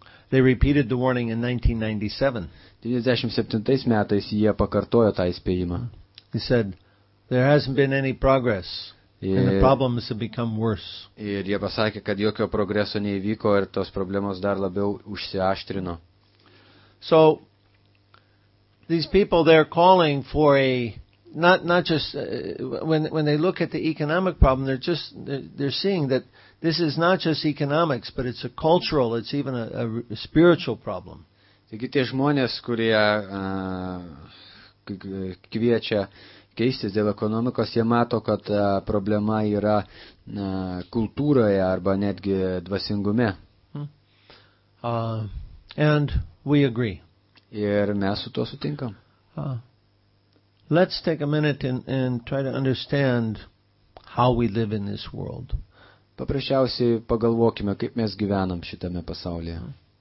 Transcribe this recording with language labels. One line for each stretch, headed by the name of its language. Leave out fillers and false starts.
English: They repeated the warning in 1997.
Lithuanian: 97 metais jie pakartojo tą įspėjimą.
English: They said there hasn't been any progress. And the problems have become worse.
Lithuanian: Ir jie pasakė, kad jokio progreso neįvyko ir tos problemos dar labiau užsiaštrino.
English: So these people they're calling for a not just when they look at the economic problem they're seeing that this is not just economics but it's a cultural, it's even a spiritual problem.
Lithuanian: Taigi tie žmonės, kurie kviečia keistis dėl ekonomikos, jie mato, kad problema yra kultūroje arba netgi dvasingume.
English: And we agree.
Lithuanian: Ir mes su to sutinkam.
English: Let's take a minute and try to understand how we live in this world.
Lithuanian: Paprasčiausiai pagalvokime, kaip mes gyvenam šitame pasaulyje.